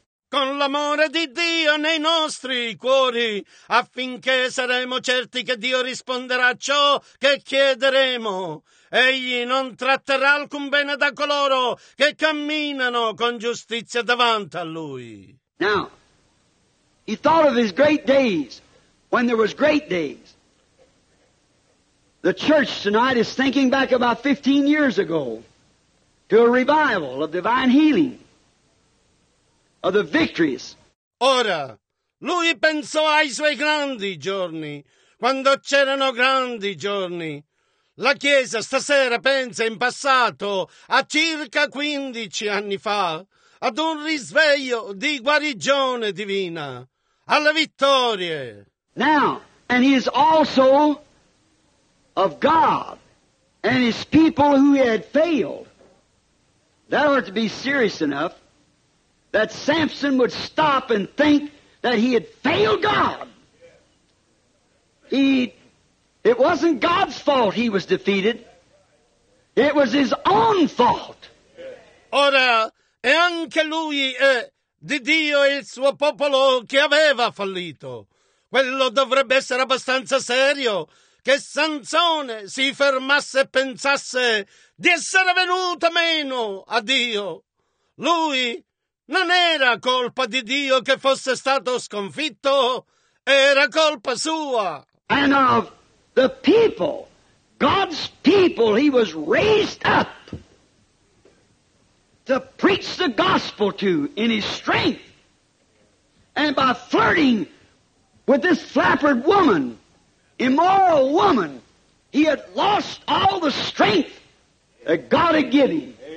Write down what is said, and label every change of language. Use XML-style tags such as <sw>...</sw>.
<it>Con l'amore di Dio nei nostri cuori, affinché saremo certi che Dio risponderà a ciò che chiederemo. Egli non tratterrà alcun bene da coloro che camminano con giustizia davanti a Lui.</it> <en>Now, he thought of his great days, when there was great days. The church tonight is thinking back about 15 years ago to a revival of divine healing. Of the victories.</en> <it>Ora, lui pensò ai suoi grandi giorni, quando c'erano grandi giorni. La Chiesa stasera pensa in passato, a circa 15 anni fa, ad un risveglio di guarigione divina, alle vittorie.</it> <en>Now, and he is also of God and his people who had failed. That ought to be serious enough. That Samson would stop and think that he had failed God. It wasn't God's fault he was defeated. It was his own fault.</en> <it>Ora, e anche lui è di Dio e il suo popolo che aveva fallito. Quello dovrebbe essere abbastanza serio che Sansone si fermasse e pensasse di essere venuto meno a Dio. Lui non era colpa di Dio che fosse stato sconfitto, era colpa sua.</it> <en>And of the people, God's people, he was raised up to preach the gospel to in his strength. And by flirting with this flappered woman, immoral woman, he had lost all the strength that God had given him.</en>